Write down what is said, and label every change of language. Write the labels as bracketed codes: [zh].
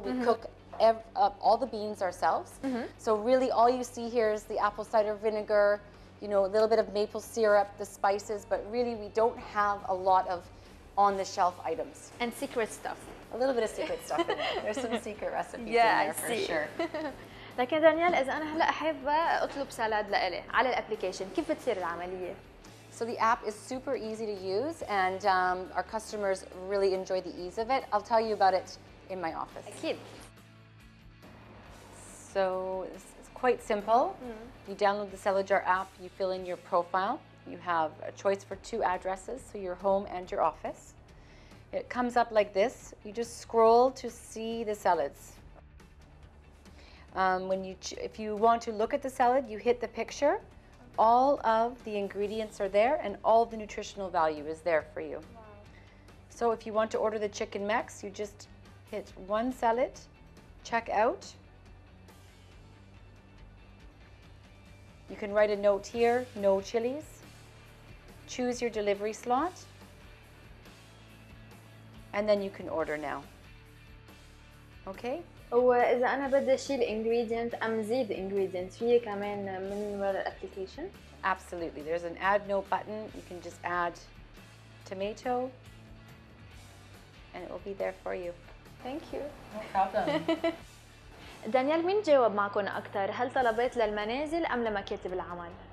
[en] We mm-hmm. cook all the beans ourselves. Mm-hmm. So really all you see here is the apple cider vinegar, you know, a little bit of maple syrup, the spices, but really we don't have a lot of on the shelf items. And secret stuff. A little bit of secret stuff in there. There's some secret recipes yeah, in there for sure. [ar] لكن دانيال إذا أنا هلأ أحب أطلب سلاد لإلي على الأبليكيشن كيف بتصير العملية؟ [en] So the app is super easy to use and our customers really enjoy the ease of it. I'll tell you about it in my office. [ar] أكيد. [en] So it's quite simple. Mm-hmm. You download the Salad Jar app, you fill in your profile. You have a choice for two addresses, so your home and your office. It comes up like this. You just scroll to see the salads. If you want to look at the salad, you hit the picture. Okay. All of the ingredients are there and all the nutritional value is there for you. Wow. So if you want to order the chicken mix, you just hit one salad, check out. You can write a note here, no chilies. Choose your delivery slot. And then you can order now. Okay? [ar] وإذا أنا بدي أشيل ingredients أم زيد ingredients فيه كمان من وراء الابليكيشن؟ [en] Absolutely. There's an add note button. You can just add tomato and it will be there for you. Thank you. No problem. [ar] دانيال مين جاوب معكم أكثر؟ هل طلبات للمنازل أم لمكاتب العمل؟